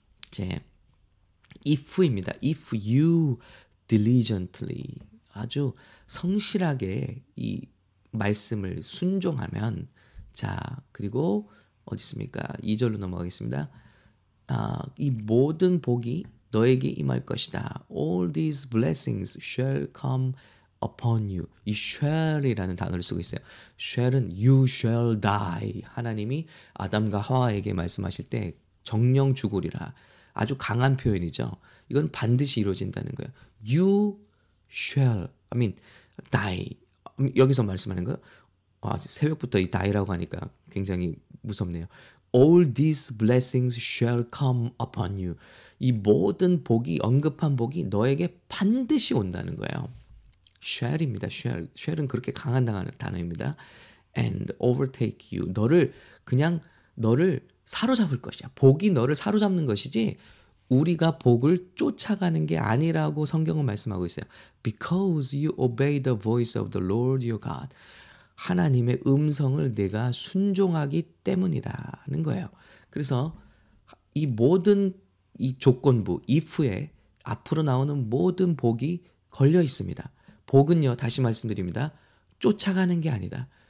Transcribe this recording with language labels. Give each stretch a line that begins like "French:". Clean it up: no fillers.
Korean: 제 if입니다.
English: If you diligently,
Korean: 아주 성실하게 이 말씀을 순종하면, 자, 그리고 어디 있습니까? 2절로 넘어가겠습니다. 이 모든 복이 너에게 임할 것이다.
English: All these blessings shall come upon you.
Korean: 이 shall이라는 단어를 쓰고 있어요.
English: shall은 you shall die.
Korean: 하나님이 아담과 하와에게 말씀하실 때 정령 죽으리라. 아주 강한 표현이죠. 이건 반드시 이루어진다는 거예요.
English: You shall, I mean, die.
Korean: 여기서 말씀하는 거예요. 아, 새벽부터 이 die라고 하니까 굉장히 무섭네요.
English: All these blessings shall come upon you.
Korean: 이 모든 복이, 언급한 복이 너에게 반드시 온다는 거예요. Shall입니다. Shall. Shall은 그렇게 강한 단어입니다.
English: And overtake you.
Korean: 너를 그냥 너를 사로잡을 것이야. 복이 너를 사로잡는 것이지 우리가 복을 쫓아가는 게 아니라고 성경은 말씀하고 있어요.
English: Because you obey the voice of the Lord your God.
Korean: 하나님의 음성을 내가 순종하기 때문이다는 거예요. 그래서 이 모든 이 조건부, if에 앞으로 나오는 모든 복이 걸려 있습니다. 복은요, 다시 말씀드립니다. 쫓아가는 게 아니다.